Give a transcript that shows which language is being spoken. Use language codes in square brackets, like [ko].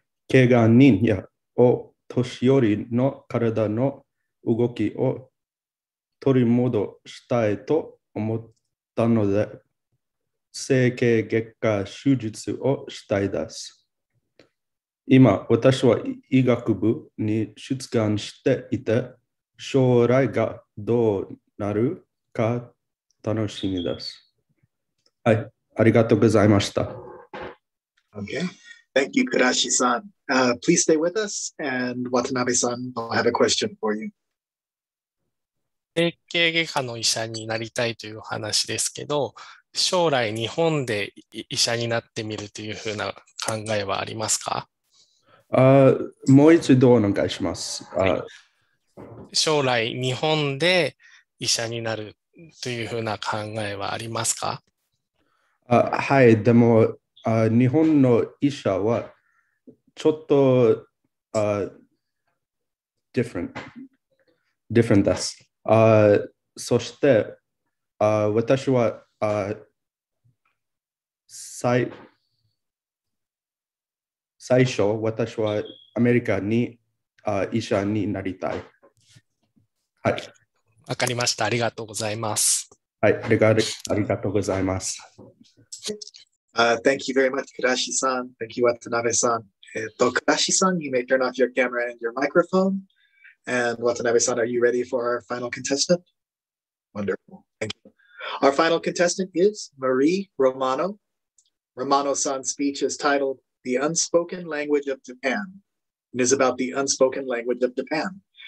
[ja] 怪我人や年寄りの体の動きを取り戻したいと思ったので、整形外科手術をしたいです。今私は医学部に出願していて、将来がどうなるか楽しみです。はい、ありがとうございました。 [en] Okay, thank you, Kurashi-san. Please stay with us, and Watanabe-san, I have a question for you. [ja] 整形外科の医者になりたいという話ですけど、将来日本で医者になってみるというふうな考えはありますか？もう一度お願いします。はい、将来日本で医者になるというふうな考えはありますか？はい、でも日本の医者はちょっと [en] different [ja] です。そして私は最初私はアメリカに医者になりたい。はい、わかりました。ありがとうございます。はい、ありがとうございます。 [en] Thank you very much, Kurashi-san. Thank you, Watanabe-san. Kurashi-san, you may turn off your camera and your microphone. And Watanabe-san, are you ready for our final contestant? Wonderful. Thank you. Our final contestant is Marie Romano. Romano-san's speech is titled The Unspoken Language of Japan and is about the unspoken language of Japan.